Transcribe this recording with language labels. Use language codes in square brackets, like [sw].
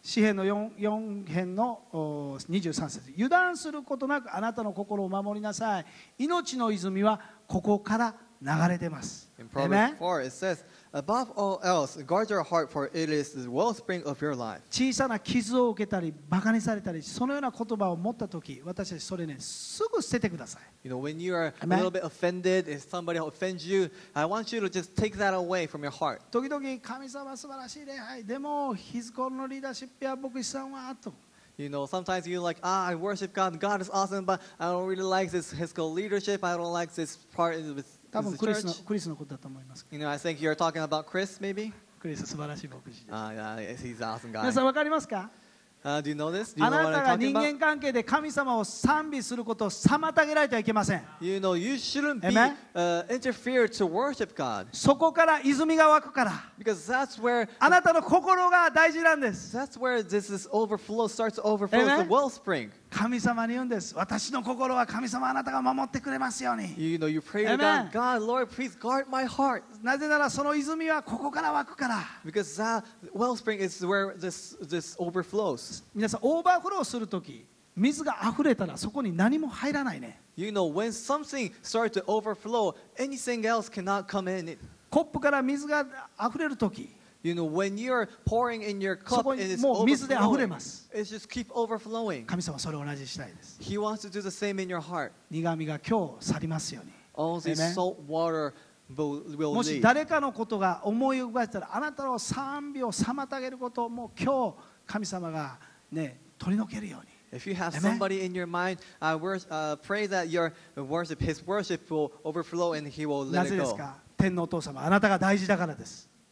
[ja] 詩編の 4編の23節、油断することなくあなたの心を守りなさい。命の泉はここから流れてます。 [en] In Proverbs 4 it says, Above all else, guard your heart, for it is the wellspring of your life. [ja] 小さな傷を受けたり、馬鹿にされたり、そのような言葉を持ったとき、私たちそれね、すぐ捨ててください。 [en] You know, when you are a little bit offended, if somebody offends you, I want you to just take that away from your heart. [ja] 時々、神様素晴らしい礼拝、でも、ヒズコのリーダーシップや牧師さんはと。 [en] You know, sometimes you're like, ah, I worship God, God is awesome, but I don't really like this Hiscol leadership, I don't like this part with [ja] 多分クリスのことだと思います。 [en] You know, I think you're talking about Chris, maybe? [ja] クリス素晴らしい牧師です。 [en] He's an awesome guy. [ja] 皆さんわかりますか？ [en] Do you know this? [ja] あなたが人間関係で神様を賛美することを妨げられてはいけません。 [en] You know, you shouldn't be interfere to worship God. [ja] そこから泉が湧くから。 [en] Because that's where [ja] あなたの心が大事なんです。 [en] That's where this is overflow starts overflow the wellspring. [ja] 神様に言うんです。私の心は神様あなたが守ってくれますように。 [en] You know, you pray to God. God, Lord, please guard my heart. [ja] なぜならその泉はここから湧くから。 [en] Because that wellspring is where this overflows. [ja] 皆さんオーバーフローするとき水が溢れたらそこに何も入らないね。 [en] You know, when something starts to overflow, anything else cannot come in. [ja] コップから水が溢れるとき、 [en] You know, when you're pouring in your cup and it's overflowing, it just keep overflowing. [ja] 神様それを同じしたいです。 [en] He wants to do the same in your heart. [ja] 苦味が今日去りますように。 [en] All this salt water will leave. [ja] もし誰かのことが思い浮かべたら、あなたの賛美を妨げることをもう今日神様が、ね、取り除けるように。 [en] If you have somebody in your mind, pray that your worship, his worship will overflow and he will let it go. [ja] なぜですか？天のお父様、あなたが大事だからです。